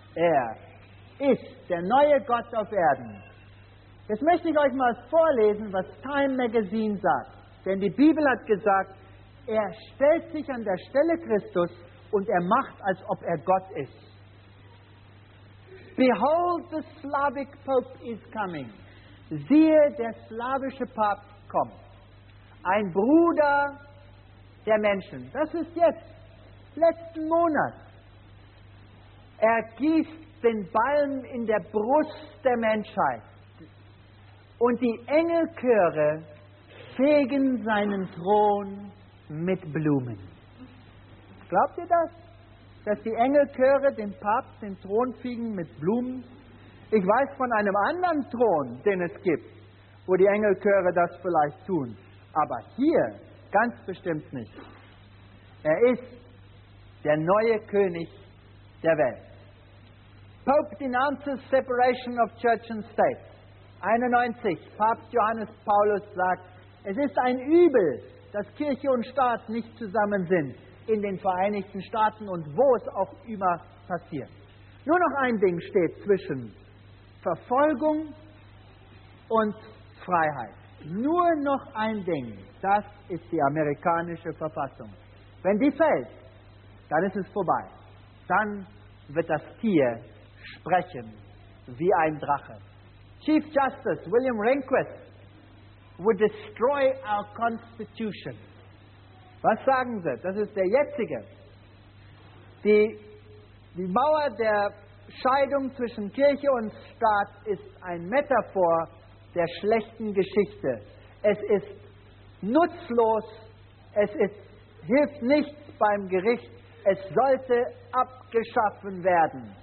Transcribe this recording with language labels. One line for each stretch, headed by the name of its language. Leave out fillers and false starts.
German: Er ist der neue Gott auf Erden. Jetzt möchte ich euch mal vorlesen, was Time Magazine sagt. Denn die Bibel hat gesagt, er stellt sich an der Stelle Christus und er macht, als ob er Gott ist.
English: Behold, the Slavic Pope is coming.
German: Siehe, der slawische Papst kommt. Ein Bruder der Menschen. Das ist jetzt, letzten Monat. Er gießt den Balm in der Brust der Menschheit. Und die Engelchöre fegen seinen Thron mit Blumen. Glaubt ihr das? Dass die Engelchöre dem Papst den Thron fegen mit Blumen? Ich weiß von einem anderen Thron, den es gibt, wo die Engelchöre das vielleicht tun. Aber hier ganz bestimmt nicht. Er ist der neue König der Welt.
English: Pope denounces separation of church and state.
German: 91, Papst Johannes Paulus sagt, es ist ein Übel, dass Kirche und Staat nicht zusammen sind in den Vereinigten Staaten und wo es auch immer passiert. Nur noch ein Ding steht zwischen Verfolgung und Freiheit. Nur noch ein Ding, das ist die amerikanische Verfassung. Wenn die fällt, dann ist es vorbei. Dann wird das Tier sprechen wie ein Drache.
English: Chief Justice William Rehnquist would destroy our Constitution.
German: Was sagen Sie? Das ist der jetzige. Die Mauer der Scheidung zwischen Kirche und Staat ist ein Metaphor der schlechten Geschichte. Es ist nutzlos, hilft nichts beim Gericht, es sollte abgeschaffen werden.